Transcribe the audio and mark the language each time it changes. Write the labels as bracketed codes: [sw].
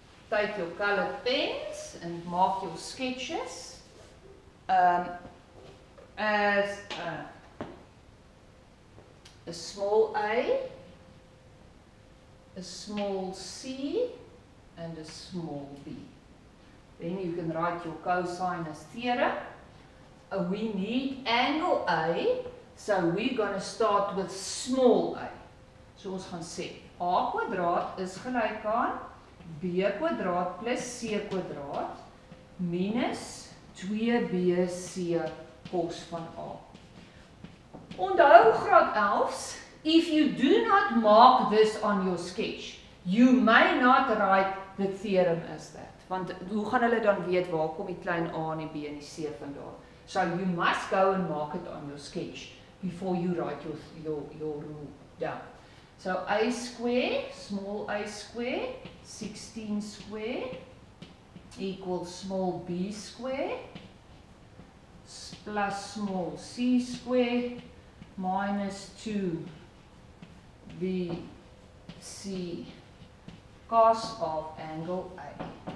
[en] Take your colored pens and mark your sketches as a small a, a small c, and a small b. Then you can write your cosinus theorem. We need angle A, so we're going to start with small a. [af] So ons gaan sê, a kwadraat is gelijk aan b kwadraat plus c kwadraat minus 2bc cos van a. Onthou graad 11's, [en] if you do not mark this on your sketch, you may not write the theorem as that. [af] Want hoe gaan hulle dan weet waar kom die klein a en die b en die c vandaan? [en] So you must go and mark it on your sketch before you write your rule down. So a square, small a square, 16 square equals small b square plus small c square minus 2bc cos of angle A.